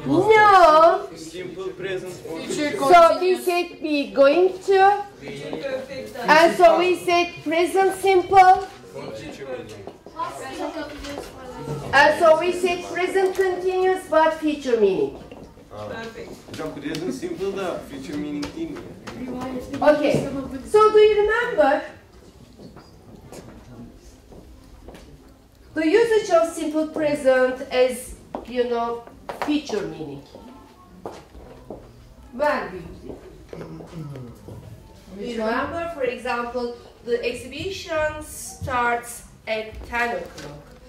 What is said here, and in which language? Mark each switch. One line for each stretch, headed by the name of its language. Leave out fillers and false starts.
English: No. Simple present. Future continuous. So we said we going to. Future perfect. And so we said present simple. Future perfect. Past simple. So we said present continuous but future meaning.
Turkish: Hocam present simple da future meaning değil mi?
English: Okay. So do you remember the usage of simple present as, you know, future meaning? Well, remember, for example, the exhibition starts at 10 o'clock.